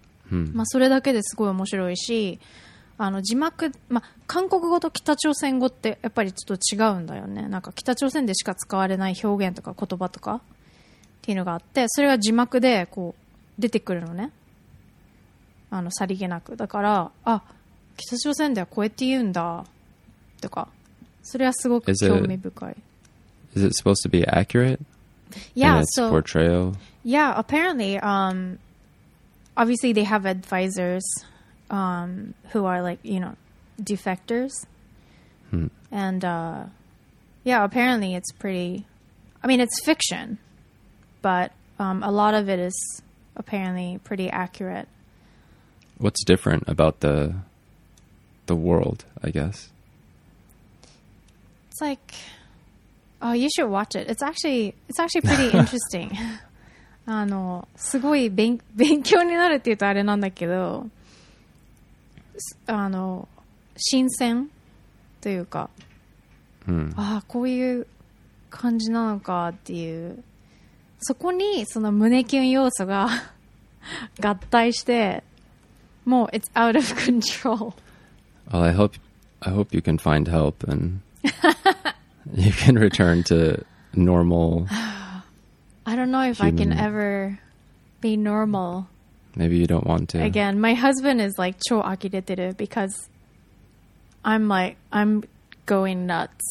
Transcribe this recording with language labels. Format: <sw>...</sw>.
<ja>まあ、それだけですごい面白いし、あの字幕、まあ、韓国語と北朝鮮語ってやっぱりちょっと違うんだよね。なんか北朝鮮でしか使われない表現とか言葉とかっていうのがあって、それが字幕でこう出てくるのね、あのさりげなく。だからあ、北朝鮮ではこうやって言うんだとか、それはすごく興味深い。</ja> <en>Is it supposed to be accurate? Yeah, and its so portrayal. Yeah, apparently, obviously they have advisors, who are like, you know, defectors. And, yeah, apparently it's pretty, I mean, it's fiction, but, a lot of it is apparently pretty accurate. What's different about the world, I guess? It's like... Oh, you should watch it. It's actually pretty interesting.</en> <ja>あの、すごい勉強になるって言うとあれなんだけど、あの、新鮮というか、ああ、こういう感じなのかっていう、そこにその胸キュン要素が合体して、もう</ja> <en>it's out of control. Well, I hope you can find help and... You can return to normal. I don't know if I can ever be normal. Maybe you don't want to. Again, my husband is like</en> <ja>超飽きれてる</ja> <en>because I'm like, I'm going nuts.</en>